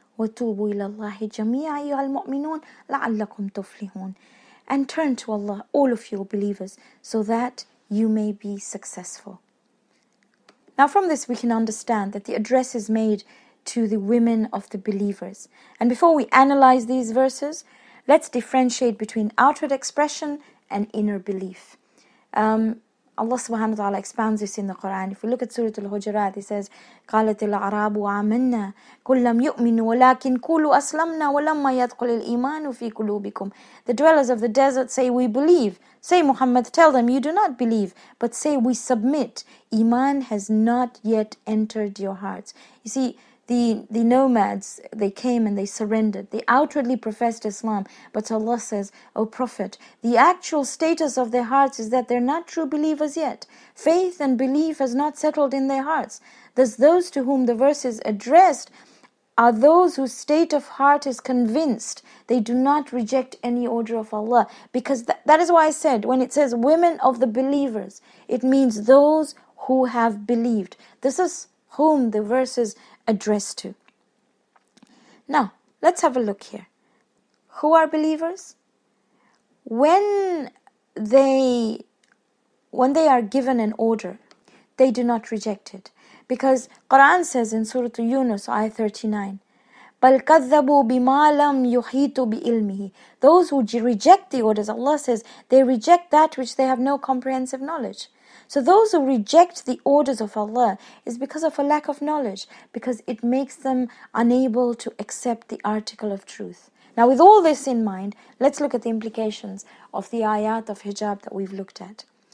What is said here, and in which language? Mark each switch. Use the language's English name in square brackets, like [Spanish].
[Arabic] وَتُوبُوا إِلَى اللَّهِ جَمِيعًا أَيُّهَا الْمُؤْمِنُونَ لَعَلَّكُمْ تُفْلِحُونَ, [English] and turn to Allah, all of you believers, so that you may be successful. Now from this we can understand that the address is made to the women of the believers. And before we analyze these verses, let's differentiate between outward expression and inner belief. Allah subhanahu wa ta'ala expounds this in the Quran. If we look at Surah Al-Hujurat, he says, [Arabic] قَالَتِ الْعَرَابُ عَمَنَّا كُلَّمْ يُؤْمِنُوا وَلَكِنْ كُولُوا أَسْلَمْنَا وَلَمَّا يَدْقُلِ الْإِيمَانُ فِي قُلُوبِكُمْ. [English] The dwellers of the desert say, we believe. Say, Muhammad, tell them, you do not believe. But say, we submit. Iman has not yet entered your hearts. You see, the nomads, they came and they surrendered. They outwardly professed Islam. But Allah says, O Prophet, the actual status of their hearts is that they're not true believers yet. Faith and belief has not settled in their hearts. Thus, those to whom the verse is addressed are those whose state of heart is convinced. They do not reject any order of Allah. Because that is why I said, when it says women of the believers, it means those who have believed. This is whom the verse is addressed to. Now, let's have a look here. Who are believers? When they are given an order, they do not reject it. Because Quran says in Surah Yunus, Ayah 39, [Arabic] بل كذبوا بما لم يحيطوا بعلمه. [English] Those who reject the orders, Allah says, they reject that which they have no comprehensive knowledge. So those who reject the orders of Allah is because of a lack of knowledge, because it makes them unable to accept the article of truth. Now with all this in mind, let's look at the implications of the ayat of hijab that we've looked at.